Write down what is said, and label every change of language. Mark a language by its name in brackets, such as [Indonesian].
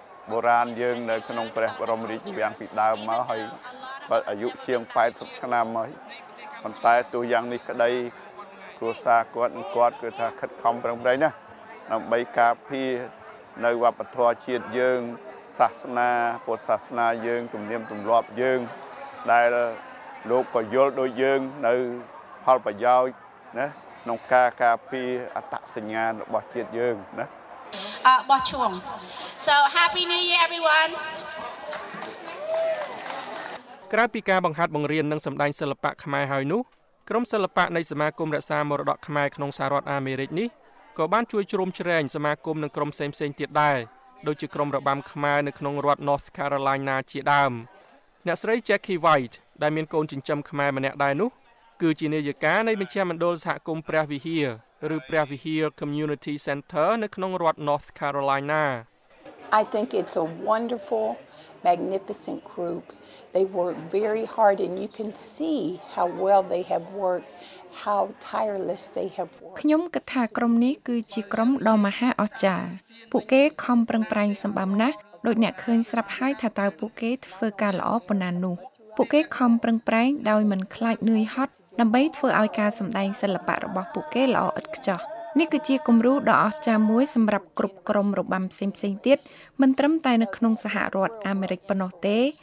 [Khmer] បុរាណយើងនៅក្នុងព្រះបរមរាជវាំងពីដើមមកហើយបើអាយុជាង80ឆ្នាំហើយប៉ុន្តែទោះយ៉ាងនេះក្តីគ្រួសារគាត់គឺថាខិតខំប្រឹងប្រែងណាដើម្បីការពារនៅវប្បធម៌ជាតិយើងសាសនាពុទ្ធសាសនាយើងទំនៀមទម្លាប់យើងដែលលោកក៏យល់ដូចយើងនៅផលប្រយោជន៍ណាក្នុងការការពារអត្តសញ្ញាណរបស់ជាតិយើងណា អរបស់ឈួង [English] So happy new year everyone [Khmer] ក្រៅពីការបង្ហាត់បង្រៀននិងសម្ដែងសិល្បៈខ្មែរហើយនោះក្រុមសិល្បៈនៃសមាគមរក្សាមរតកខ្មែរក្នុងសហរដ្ឋអាមេរិកនេះក៏បានជួយជ្រោមជ្រែងសមាគមនិងក្រុមផ្សេងៗទៀតដែរដូចជាក្រុមរបាំខ្មែរនៅក្នុងរដ្ឋ North Carolina ជាដើមអ្នកស្រី Jackie White ដែលមានកូនចិញ្ចឹមខ្មែរម្នាក់ដែរនោះគឺជានាយិកានៃមជ្ឈមណ្ឌលសហគមន៍ព្រះវិហារឬព្រះវិហារ Community Center នៅក្នុងរដ្ឋ North Carolina [English] I think it's a wonderful magnificent group they work very hard and you can see how well they have workedHow tireless they have worked [Khmer] ខ្ញុំគិតថាក្រុមនេះគឺជាក្រុមដ៏មហាអស្ចារ្យពួកគេខំប្រឹងប្រែងសម្បំណាស់ដោយអ្នកឃើញស្រាប់ហើយថាតើពួកគេធ្វើការល្អប៉ុណ្ណានោះពួកគេខំប្រឹងប្រែងដោយមិនខ្លាចនឿយហត់ដើម្បីធ្វើឲ្យការសម្ដែងសិល្បៈរបស់ពួកគេល្អឥតខ្ចោះនេះគឺជាគំរូដ៏អស្ចារ្យមួយសម្រាប់គ្រប់ក្រុមរបាំផ្សេងៗទៀតមិនត្រឹមតែនៅក្នុងសហរដ្ឋអាមេរិកប៉ុណ្ណោះទេ